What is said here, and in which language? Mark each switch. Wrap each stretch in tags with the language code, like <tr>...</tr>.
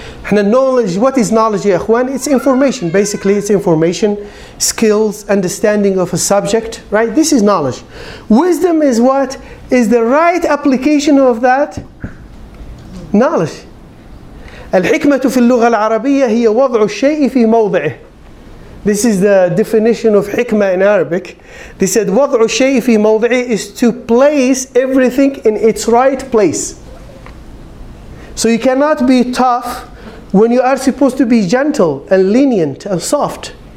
<en>And the knowledge, what is knowledge, ya akhwan? It's information. Basically, it's information, skills, understanding of a subject, right? This is knowledge. Wisdom is what? Is the right application of that knowledge.</en> <ar>الحكمة في اللغة العربية هي وضع الشيء في موضعه.</ar> <en>This is the definition of hikmah in Arabic. They said,</en> <ar>وضع الشيء في موضعه</ar> <en>is to place everything in its right place. So you cannot be tough when you are supposed to be gentle and lenient and soft.</en>